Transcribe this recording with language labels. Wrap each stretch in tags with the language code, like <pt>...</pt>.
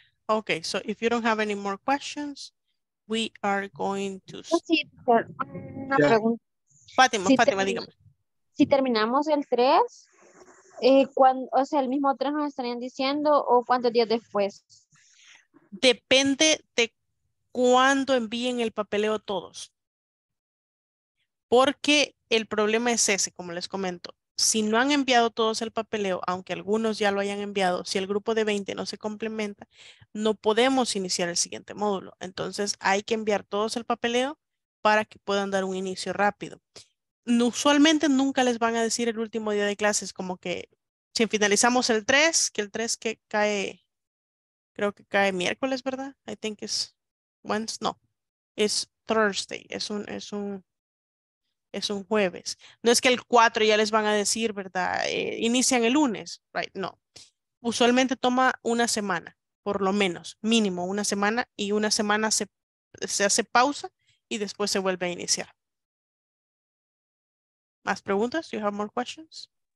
<en>Ok, so if you don't have any more questions, we are going to...</en> <es>Sí, una pregunta. Fátima, si Fátima, dígame. Si terminamos el 3, el mismo 3 nos estarían diciendo, ¿o cuántos días después? Depende de cuándo envíen el papeleo todos. Porque el problema es ese, como les comento. Si no han enviado todos el papeleo, aunque algunos ya lo hayan enviado, si el grupo de 20 no se complementa, no podemos iniciar el siguiente módulo. Entonces hay que enviar todos el papeleo para que puedan dar un inicio rápido. Usualmente nunca les van a decir el último día de clases, como que si finalizamos el 3, que el 3 que cae, creo que cae miércoles, ¿verdad?</es> <en>I think it's Wednesday, no, it's Thursday,</en> <es>es un jueves. No es que el 4 ya les van a decir, ¿verdad? Inician el lunes, right? No. Usualmente toma una semana, por lo menos, mínimo una semana, y una semana se hace pausa y después se vuelve a iniciar. ¿Más preguntas?</es> <en>Do you have more questions?</en>